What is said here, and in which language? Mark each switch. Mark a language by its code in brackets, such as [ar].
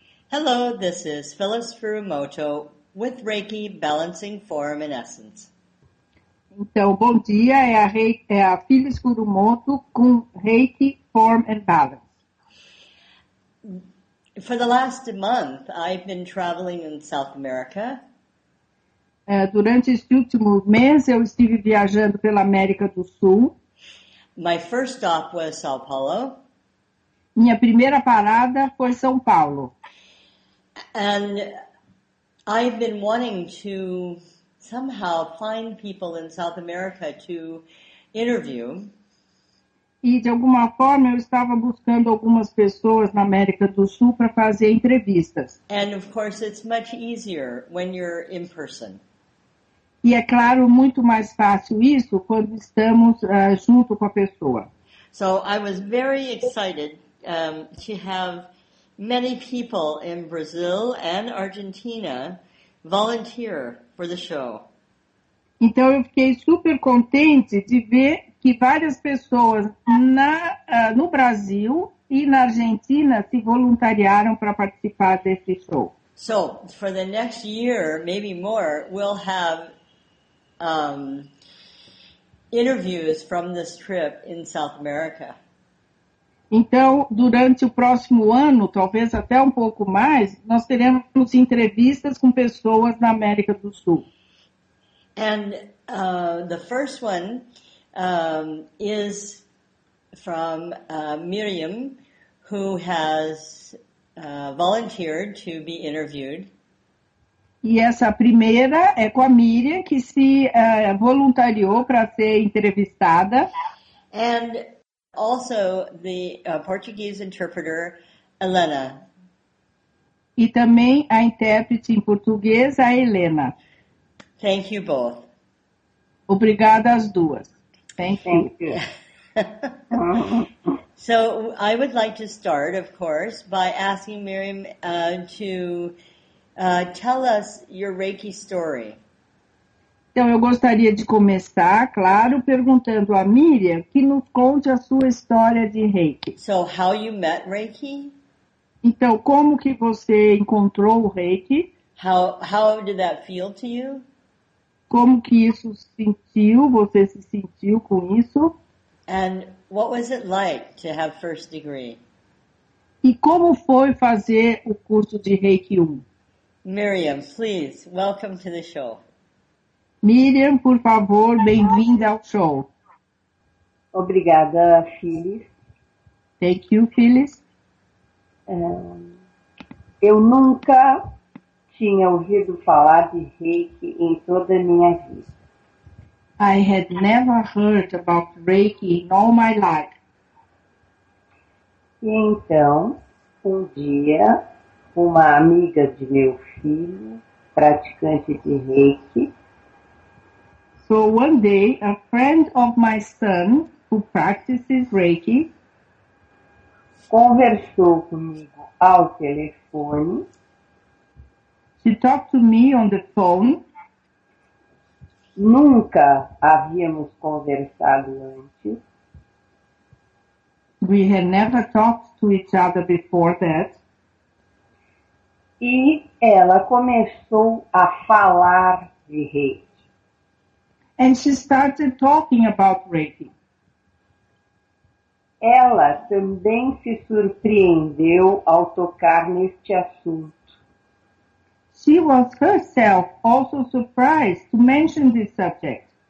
[en] Hello, this is Phyllis Furumoto with Reiki Balancing Form and Essence. [pt] Então, bom dia, é a Phyllis Furumoto com Reiki Form and Balance. [en] For the last month, I've been traveling in South America. [pt] Durante este último mês, eu estive viajando pela América do Sul. [en] My first stop was São Paulo. [pt] Minha primeira parada foi São Paulo. [en] And I've been wanting to somehow find people in South America to interview. [pt] E de alguma forma eu estava buscando algumas pessoas na América do Sul para fazer entrevistas. [en] And of course it's much easier when you're in person. [pt] E é claro, muito mais fácil isso quando estamos junto com a pessoa. [en] So I was very excited to have many people in Brazil and Argentina volunteer for the show. [pt] Então eu fiquei super contente de ver que várias pessoas no Brasil e na Argentina se voluntariaram para participar desse show. [en] So, for the next year, maybe more, we'll have interviews from this trip in South America. [pt] Então, durante o próximo ano, talvez até um pouco mais, nós teremos entrevistas com pessoas na América do Sul. [en] And the first one is from Miriam, who has volunteered to be interviewed. [pt] E essa primeira é com a Miriam, que se voluntariou para ser entrevistada. [en] And also the Portuguese interpreter, Helena. [pt] E também a intérprete em português, a Helena. [en] Thank you both. [pt] Obrigada às duas. [en] Thank you. So I would like to start, of course, by asking Miriam to tell us your Reiki story. [pt] Então, eu gostaria de começar, claro, perguntando à Miriam que nos conte a sua história de Reiki. [en] So, how you met Reiki? [pt] Então, como que você encontrou o Reiki? [en] How did that feel to you? [pt] Como que isso sentiu, você se sentiu com isso? [en] And what was it like to have first degree? [pt] E como foi fazer o curso de Reiki 1? [en] Miriam, please, welcome to the show. [pt] Miriam, por favor, bem-vinda ao show. Obrigada, Phyllis. [en] Thank you, Phyllis. [pt] Eu nunca tinha ouvido falar de Reiki em toda a minha vida. [en] I had never heard about Reiki in all my life. [pt] E então, um dia, uma amiga de meu filho, praticante de Reiki, [en] so one day, a friend of my son, who practices Reiki, [pt] conversou comigo ao telefone. [en] She talked to me on the phone. [pt] Nunca havíamos conversado antes. [en] We had never talked to each other before that. [pt] E ela começou a falar de Reiki. [en] And she started talking about Reiki. [pt] Ela também se surpreendeu ao tocar neste assunto. [en] She was herself also surprised to mention this subject.